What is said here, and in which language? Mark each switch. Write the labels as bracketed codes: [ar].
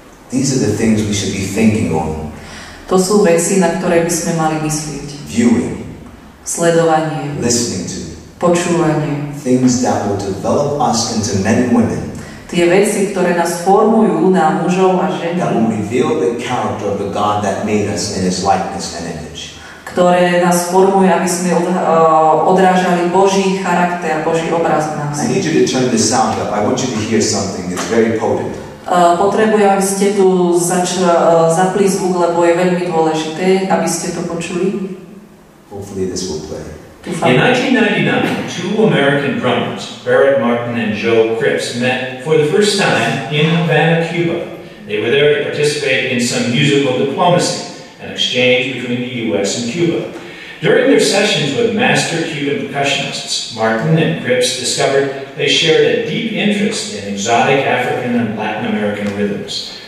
[en] These are the things we should be thinking on. [sk] To sú veci, na ktoré by sme mali myslieť. [en] Viewing. [sk] Sledovanie. [en] Listening to. [sk] Počúvanie. [en] Things that will develop us into men and women. [sk] Tie veci, ktoré nás formujú na mužov a ženy. [en] That will reveal the character of the God that made us in His likeness and image. [sk] Ktoré nás formujú, aby sme odrážali Boží charakter, Boží obraz v nás. [en] I need you to turn the sound up. I want you to hear something. It's very potent. [sk] Potrebujem, aby ste tu zapli zvuk, lebo je veľmi dôležité, aby ste to počuli. [en] Hopefully this will play. In 1999, two American drummers, Barrett Martin and Joe Cripps, met for the first time in Havana, Cuba. They were there to participate in some musical diplomacy, an exchange between the U.S. and Cuba. During their sessions with master Cuban percussionists, Martin and Cripps discovered they shared a deep interest in exotic African and Latin American rhythms.